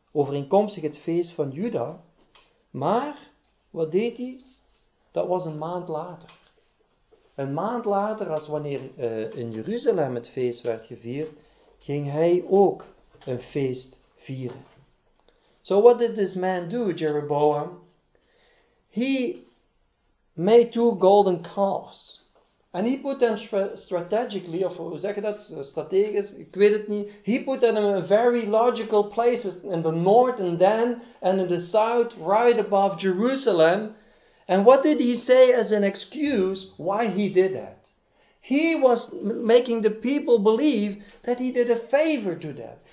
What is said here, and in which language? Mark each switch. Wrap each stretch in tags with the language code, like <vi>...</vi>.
<nl>Overeenkomstig het feest van Juda. Maar, wat deed hij? Dat was een maand later. Een maand later, als wanneer in Jeruzalem het feest werd gevierd, ging hij ook een feest vieren.</nl> <en>So what did this man do, Jeroboam? He made 2 golden calves.</en> <nl>En hij</nl> <en>put</en> <nl>hem</nl> <en>strategically,</en> <nl>of hoe zeg je dat, strategisch, ik weet het niet.</nl> <en>He put them in very logical places, in the north and then, and in the south, right above Jerusalem. And what did he say as an excuse why he did that? He was making the people believe that he did a favor to them.</en>